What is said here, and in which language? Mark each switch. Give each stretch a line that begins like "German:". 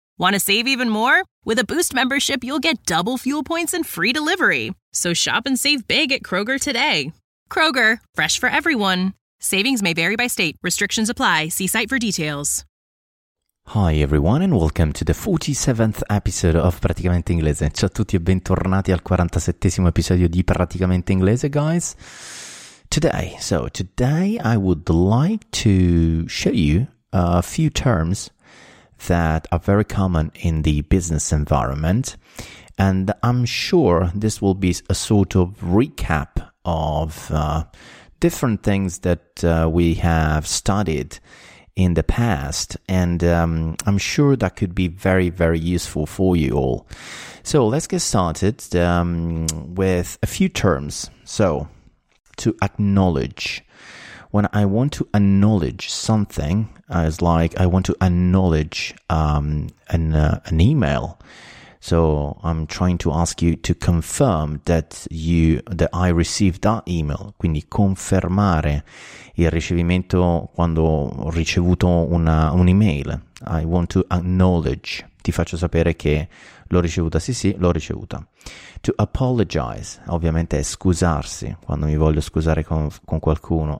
English: Want to save even more? With a Boost membership, you'll get double fuel points and free delivery. So shop and save big at Kroger today. Kroger, fresh for everyone. Savings may vary by state. Restrictions apply. See site for details. Hi everyone and welcome to the 47th episode of Praticamente Inglese.
Italian: Ciao a tutti e bentornati al 47th episodio di Praticamente Inglese, guys.
English: Today I would like to show you a few terms that are very common in the business environment, and I'm sure this will be a sort of recap of different things that we have studied in the past, and I'm sure that could be very, very useful for you all. So let's get started with a few terms. So to acknowledge, when I want to acknowledge something, it's like I want to acknowledge an email. So I'm trying to ask you to confirm that I received that email.
Italian: Quindi confermare il ricevimento quando ho ricevuto un'email.
English: I want to acknowledge.
Italian: Ti faccio sapere che l'ho ricevuta. Sì, sì, l'ho ricevuta. To apologize. Ovviamente è scusarsi quando mi voglio scusare con qualcuno.